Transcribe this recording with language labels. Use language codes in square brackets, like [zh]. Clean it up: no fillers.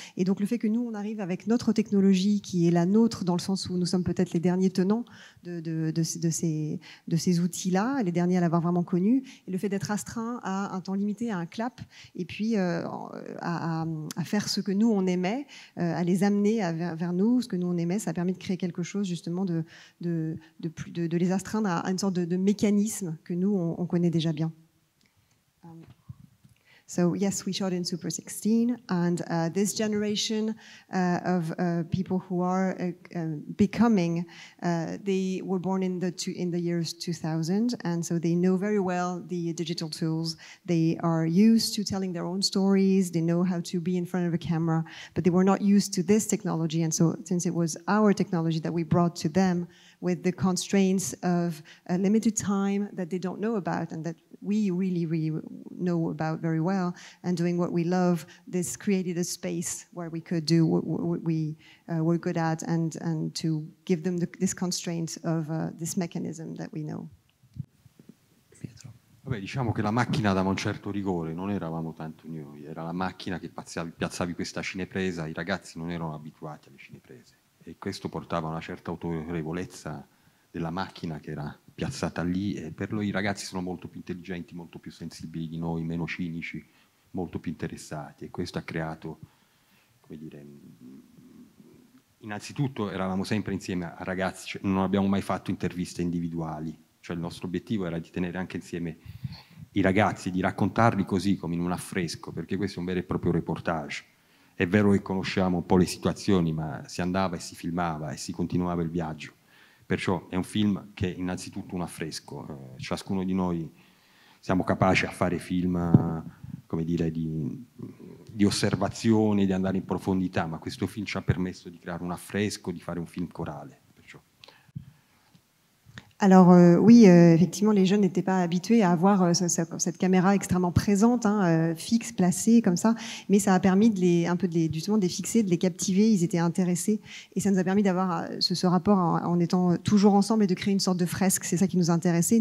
[fr] Et donc le fait que nous, on arrive avec notre technologie qui est la nôtre, dans le sens où nous sommes peut-être les derniers tenants de ces outils-là, les derniers à l'avoir vraiment connu, et le fait d'être astreint à un temps limité limiter à un clap et puis à faire ce que nous on aimait, à les amener vers nous, ce que nous on aimait. Ça a permis de créer quelque chose justement de les astreindre à une sorte de mécanisme que nous on connaît déjà bien. [en] So yes, we shot in Super 16, and this generation of people who are becoming, they were born in the years 2000, and so they know very well the digital tools. They are used to telling their own stories, they know how to be in front of a camera, but they were not used to this technology, and so since it was our technology that we brought to them, with the constraints of a limited time that they don't know about and that we really, really know about very well, and doing what we love, this created a space where we could do what we were good at and to give them this constraint of this mechanism that we know. [it] Vabbè, diciamo che la macchina dava un certo rigore, non eravamo tanto noi, era la macchina che piazzavi questa cinepresa, i ragazzi non erano abituati alle cineprese. E questo portava a una certa autorevolezza della macchina che era piazzata lì, e per noi i ragazzi sono molto più intelligenti, molto più sensibili di noi, meno cinici, molto più interessati, e questo ha creato, come dire, innanzitutto eravamo sempre insieme a ragazzi, cioè non abbiamo mai fatto interviste individuali, cioè il nostro obiettivo era di tenere anche insieme i ragazzi, di raccontarli così come in un affresco, perché questo è un vero e proprio reportage. È vero che conosciamo un po' le situazioni, ma si andava e si filmava e si continuava il viaggio. Perciò è un film che è innanzitutto un affresco. Ciascuno di noi siamo capaci a fare film, come dire, di osservazione, di andare in profondità, ma questo film ci ha permesso di creare un affresco, di fare un film corale. [fr] Alors oui, effectivement, les jeunes n'étaient pas habitués à avoir cette caméra extrêmement présente, hein, fixe, placée comme ça, mais ça a permis de les fixer, de les captiver, ils étaient intéressés, et ça nous a permis d'avoir ce rapport en étant toujours ensemble et de créer une sorte de fresque, c'est ça qui nous intéressait.